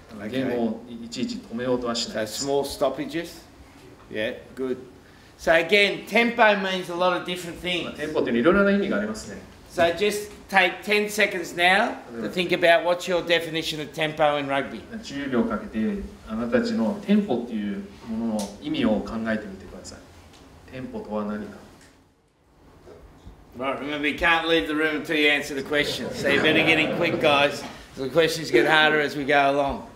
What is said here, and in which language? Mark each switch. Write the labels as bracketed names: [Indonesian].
[Japanese] ゲームをいちいち止めようとはしないです。 [English] So small stoppages? Yeah, good. So again, tempo means a lot of different things. [Japanese] テンポというのはいろいろな意味がありますね。 [English] So just take 10 seconds now to think about what's your definition of tempo in rugby. [Japanese] 10秒かけてあなたたちのテンポというものの意味を考えてみてください。テンポとは何か。 [English] Right, remember you can't leave the room until you answer the question. So you better get in quick, guys. The questions get harder as we go along.